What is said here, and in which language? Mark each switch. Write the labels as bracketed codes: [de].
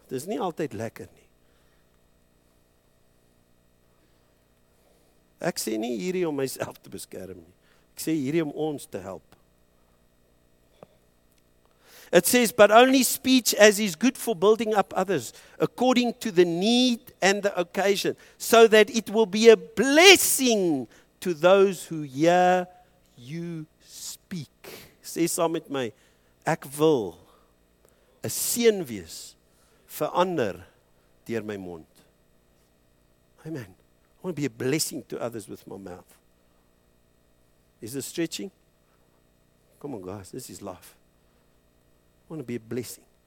[af] Dis nie altyd lekker nie. Ek sê nie hierdie om myself te beskerm nie. Ek sê hierdie om ons te help. [en] It says, but only speech as is good for building up others, according to the need and the occasion, so that it will be a blessing to those who hear you speak. [af] Sê saam met my, ek wil 'n seën wees vir ander deur my mond. [en] Amen. I want to be a blessing to others with my mouth. Is this stretching? Come on, guys, this is life. I want to be a blessing.